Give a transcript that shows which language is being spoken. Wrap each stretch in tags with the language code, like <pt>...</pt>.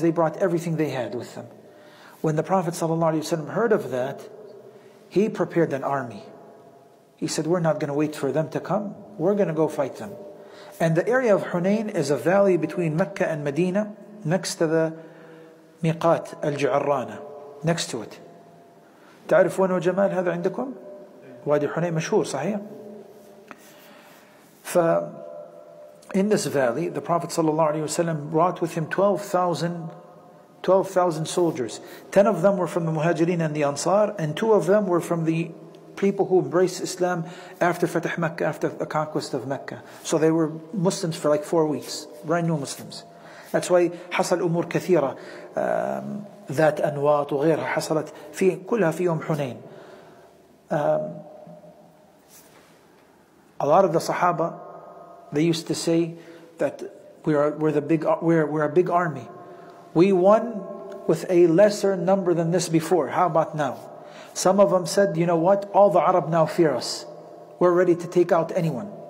<en>They brought everything they had with them. When the Prophet ﷺ heard of that, he prepared an army. He said, we're not going to wait for them to come. We're going to go fight them. And the area of Hunain is a valley between Mecca and Medina, next to the Miqat al-Ju'arrana, next to it.</en> <ar>تعرف وين هو جمال هذا عندكم؟ وادي حنين مشهور صحيح؟</ar> <en>In this valley, the Prophet</en> <ar>sallallahu alaihi wasallam</ar> <en>brought with him 12,000 soldiers. 10 of them were from the Muhajirin and the Ansar, and 2 of them were from the people who embraced Islam after Fatah Mecca, after the conquest of Mecca. So they were Muslims for like 4 weeks, brand new Muslims. That's why</en> <ar>حصل أمور كثيرة ذات أنواط وغيرها حصلت في كلها في يوم حنين.</ar> <en>A lot of the Sahaba, they used to say that we're a big army. We won with a lesser number than this before. How about now? Some of them said, you know what? All the Arab now fear us. We're ready to take out anyone.</en>